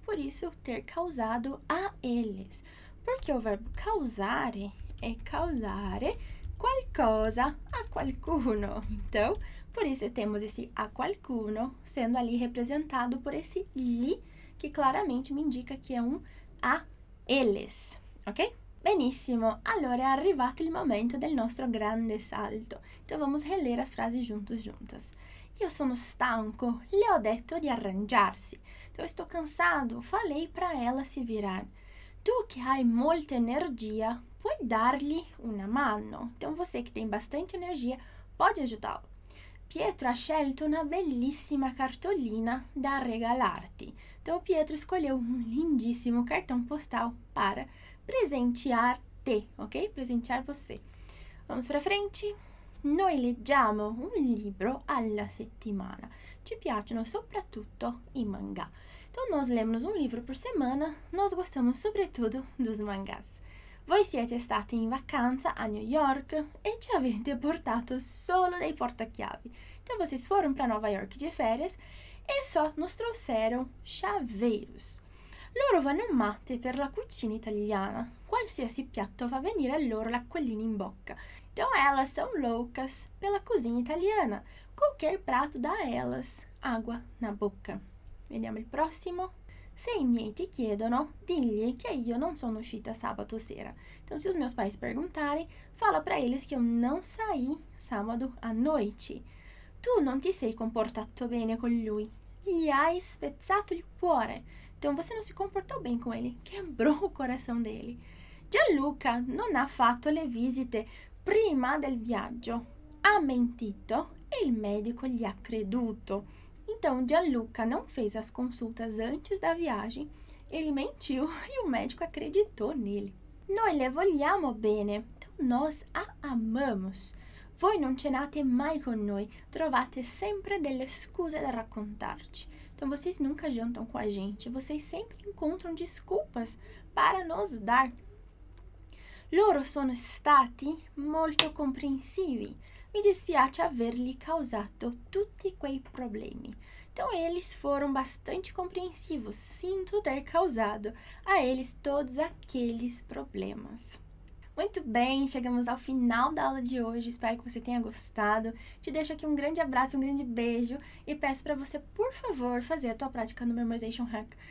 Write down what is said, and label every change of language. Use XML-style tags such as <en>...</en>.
<pt>Por isso ter causado a eles. Porque o verbo causare é</pt> <it>causare qualcosa a qualcuno.</it> <pt>Então, por isso temos esse</pt> <it>a qualcuno</it> <pt>sendo ali representado por esse li, que claramente me indica que é um a eles, ok?</pt> <it>Benissimo, allora è arrivato il momento del nostro grande salto.</it> <pt>Então, vamos reler as frases juntas.</pt> <it>Io sono stanco, le ho detto di arrangiarsi.</it> <pt>Então, estou cansado, falei para ela se virar.</pt> <it>Tu che hai molta energia, puoi dargli una mano.</it> <pt>Então, você que tem bastante energia, pode ajudá-lo.</pt> <it>Pietro ha scelto una bellissima cartolina da regalarti.</it> <pt>Então, Pietro escolheu um lindíssimo cartão postal para presentear-te, ok? Presentear você. Vamos para frente.</pt> <it>Noi leggiamo un libro alla settimana. Ci piacciono soprattutto i manga.</it> <pt>Então, nós lemos um livro por semana. Nós gostamos sobretudo dos mangás.</pt> <it>Voi siete stati in vacanza a New York e ci avete portato solo dei portachiavi.</it> <pt>Então, vocês foram para Nova York de férias e só nos trouxeram chaveiros.</pt> <it>Loro vanno matte per la cucina italiana. Qualsiasi piatto fa venire a loro l'acquolina in bocca.</it> <pt>Então, elas são loucas pela cozinha italiana. Qualquer prato dá a elas água na boca.</pt> <it>Vediamo il prossimo. Se i miei ti chiedono, digli che io non sono uscita sabato sera.</it> <pt>Então, se os meus pais perguntarem, fala para eles</pt> <it>che</it> <pt>eu não saí sábado à noite.</pt> <it>Tu non ti sei comportato bene con lui. Gli hai spezzato il cuore.</it> <pt>Então, você não se comportou bem com ele. Quebrou o coração dele.</pt> <it>Gianluca non ha fatto le visite prima del viaggio. Ha mentito e il medico gli ha creduto.</it> <pt>Então, Gianluca não fez as consultas antes da viagem. Ele mentiu e o médico acreditou nele.</pt> <it>Noi le vogliamo bene.</it> <pt>Então, nós a amamos.</pt> <it>Voi non cenate mai con noi. Trovate sempre delle scuse da raccontarci.</it> <pt>Então, vocês nunca jantam com a gente. Vocês sempre encontram desculpas para nos dar.</pt> <it>Loro sono stati molto comprensivi. Mi dispiace avergli causato tutti quei problemi.</it> <pt>Então, eles foram bastante compreensivos. Sinto ter causado a eles todos aqueles problemas. Muito bem, chegamos ao final da aula de hoje. Espero que você tenha gostado. Te deixo aqui um grande abraço, um grande beijo e peço para você, por favor, fazer a tua prática no Memorization Hack.</pt>